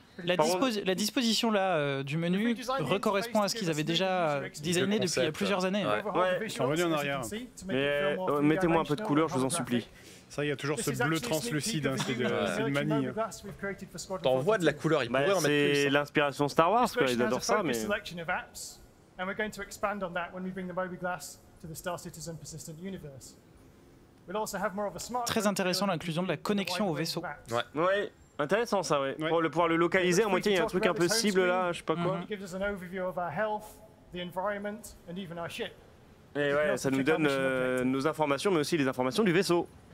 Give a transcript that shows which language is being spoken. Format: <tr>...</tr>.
<fr>La disposition là du menu recorrespond à ce qu'ils avaient déjà designé depuis il y a plusieurs années. Ouais. Ouais. Ils sont revenus en arrière. Mais mettez-moi un peu de couleur, je vous en supplie. Ça, il y a toujours ce bleu translucide, hein, c'est une manie. Hein. T'envoies de la couleur, ils pourraient en mettre plus. C'est l'inspiration Star Wars, quoi, ils adorent ça, mais...</fr> <en>And we're going to expand on that when we bring the Moby Glass to the Star Citizen Persistent Universe. We'll also have more of a smart...</en> <fr>Très intéressant l'inclusion de la connexion au vaisseau. Ouais. Intéressant ça, ouais. Pour le pouvoir le localiser, en moitié, il y a un truc un peu cible là, je sais pas quoi.</fr> <en>It gives us an overview of our health, the environment, and even our ship.</en> <fr>Et ouais, ça nous donne nos informations, mais aussi les informations du vaisseau.</fr>